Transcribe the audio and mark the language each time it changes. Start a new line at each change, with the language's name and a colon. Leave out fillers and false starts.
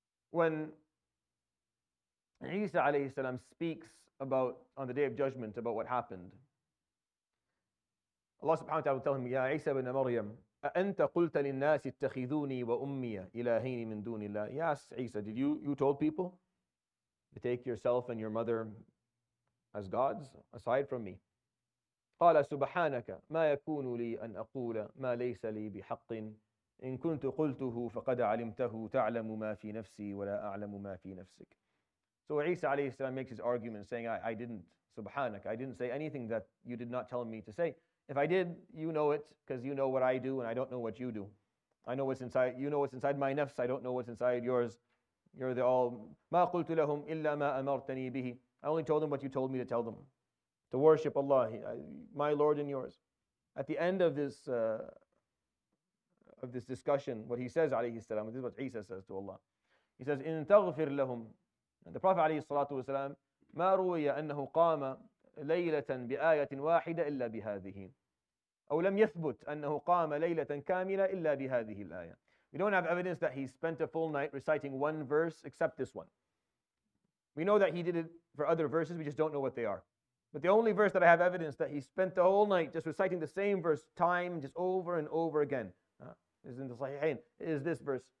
English: When Isa alayhi salam speaks about on the day of judgment about what happened, Allah subhanahu wa ta'ala will tell him, Ya Isa ibn Maryam,
Arabic: أَأَنْتَ قُلْتَ لِلنَّاسِ اتَّخِذُونِي وَأُمِّيَ إِلَهَيْنِ مِن دُونِ اللَّهِ.
English: Yes, Isa, did you told people to take yourself and your mother as gods aside from me?
Arabic: قال سبحانك ما يكون لي أن أقول ما ليس لي بحق إن كنت قلته فقد علمته تعلم ما في نفسي ولا أعلم ما في نفسك.
English: So Isa alayhi salam makes his argument saying, I didn't, subhanak, I didn't say anything that you did not tell me to say. If I did, you know it, because you know what I do, and I don't know what you do. I know what's inside, you know what's inside my nafs, I don't know what's inside yours. You're the all,
Arabic: ما قلت لهم إلا ما أمرتني به.
English: I only told them what you told me to tell them. To worship Allah, my Lord and yours. At the end of this discussion, what he says, عليه السلام, this is what Isa says to Allah. He says,
Arabic: إن تغفر لهم.
English: And the Prophet,
Arabic: عليه الصلاة والسلام, ما روي أنه قام ليلة بآية واحدة إلا بهذه. أو لم يثبت أنه قام ليلة كاملة إلا بهذه الآية.
English: We don't have evidence that he spent a full night reciting one verse except this one. We know that he did it for other verses, we just don't know what they are. But the only verse that I have evidence that he spent the whole night just reciting the same verse time just over and over again is in the Sahihain, is this verse.